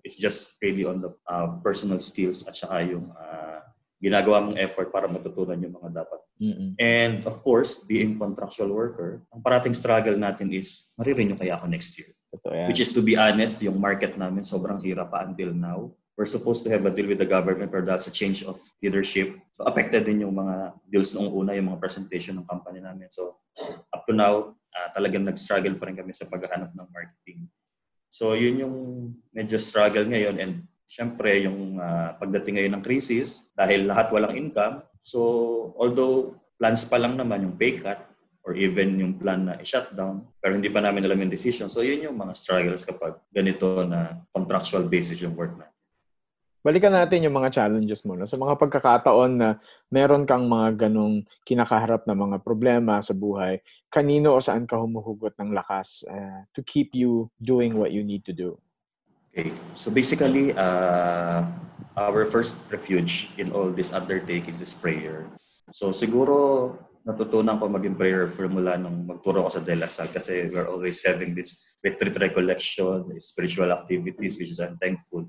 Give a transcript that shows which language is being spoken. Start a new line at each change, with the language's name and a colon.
Filipino: It's just really on the personal skills at saka yung ginagawa mong effort para matutunan yung mga dapat. Mm-hmm.
English: And of course, being contractual worker, ang parating struggle natin is marirenew kaya ako next year. Which is to be honest, yung market namin sobrang hirap pa until now. We're supposed to have a deal with the government, pero that's a change of leadership.
Filipino: So affected din yung mga deals noong una, yung mga presentation ng company namin. So up to now, talagang nag-struggle pa rin kami sa paghahanap ng marketing. So yun yung medyo struggle ngayon. And syempre, yung pagdating ngayon ng crisis, dahil lahat walang income. So although plans pa lang naman yung pay cut, or even yung plan na i-shutdown, pero hindi pa namin alam yung decision. So yun yung mga struggles kapag ganito na contractual basis yung work na. Balikan natin yung mga challenges mo. No? Sa mga pagkakataon na meron kang mga ganong kinakaharap na mga problema sa buhay, kanino o saan ka humuhugot ng lakas to keep you doing what you need to do?
English: Okay. So basically, our first refuge in all these undertakings is prayer.
Filipino: So siguro natutunan ko maging prayerful mula nung magturo ko sa De La Salle kasi we're always having this retreat recollection, spiritual activities, which is I'm thankful.